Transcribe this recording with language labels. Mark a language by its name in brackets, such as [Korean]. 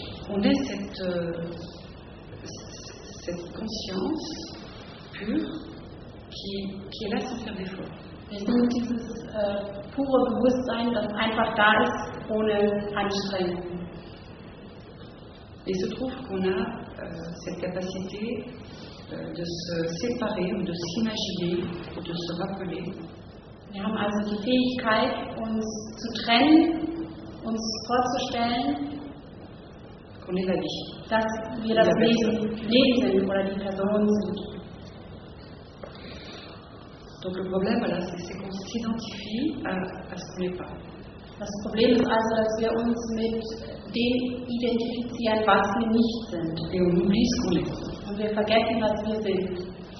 [French] On est cette conscience pure qui est là sans faire d'effort. [German] Wir sind dieses pure Bewusstsein, das einfach da ist, ohne Anstrengung. [French] Il se trouve qu'on a cette capacité de se séparer ou de s'imaginer ou de se rappeler. [German] Wir haben also die Fähigkeit, uns zu trennen, uns vorzustellen. [French] On est la vie. [German] Dass wir das Leben sind oder die Person sind. [French] Donc le problème, voilà, c'est qu'on s'identifie à ce qu'on n'est pas. [German] Das Problem ist also, dass wir uns mit dem identifizieren, was wir nicht sind. [French] Et on oublie ce qu'on est. [German] Und wir vergessen, was wir sind.